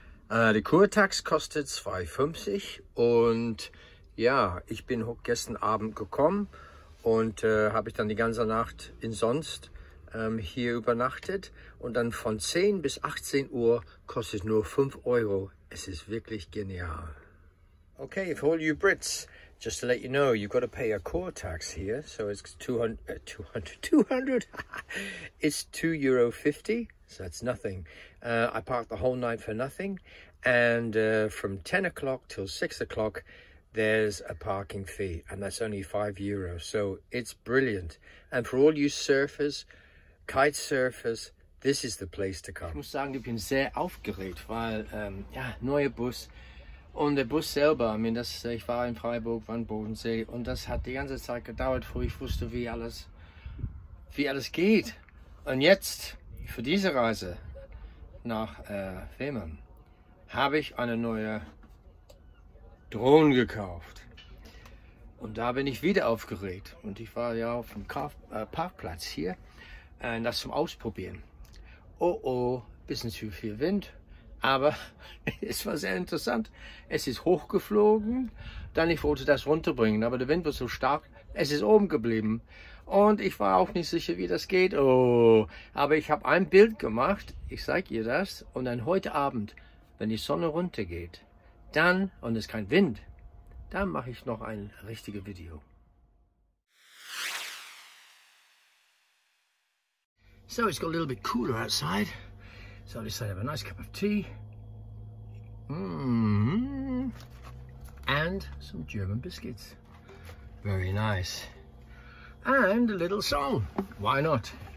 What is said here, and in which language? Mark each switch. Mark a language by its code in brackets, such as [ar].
[de] Die Kurtax kostet 2,50 und ja, ich bin gestern Abend gekommen und habe ich dann die ganze Nacht insonst hier übernachtet und dann von 10 bis 18 Uhr kostet nur 5 Euro. Es ist wirklich genial. [en] Okay, for all you Brits, just to let you know, you've got to pay a Kurtax here, so it's 200, it's €2.50. So it's nothing. I parked the whole night for nothing. And from 10 o'clock till 6 o'clock, there's a parking fee. And that's only €5. So it's brilliant. And for all you surfers, kite surfers, this is the place to come. [de] Ich muss sagen, ich bin sehr aufgeregt, weil, ja, neuer Bus. Und der Bus selber, ich war in Freiburg, war in Bodensee. Und das hat die ganze Zeit gedauert, bevor ich wusste, wie alles geht. Und jetzt, für diese Reise nach Fehmarn, habe ich eine neue Drohne gekauft. Und da bin ich wieder aufgeregt. Und ich war ja auf dem Parkplatz hier, das zum Ausprobieren. Oh, bisschen zu viel Wind. Aber es war sehr interessant. Es ist hochgeflogen. Dann ich wollte das runterbringen, aber der Wind war so stark. Es ist oben geblieben. Und ich war auch nicht sicher, wie das geht. Oh, aber ich habe ein Bild gemacht. Ich zeige ihr das. Und dann heute Abend, wenn die Sonne runtergeht, dann, und es ist kein Wind, dann mache ich noch ein richtiges Video. [en] So, it's got a little bit cooler outside. So I decided to have a nice cup of tea. And some German biscuits. Very nice. And a little song. Why not?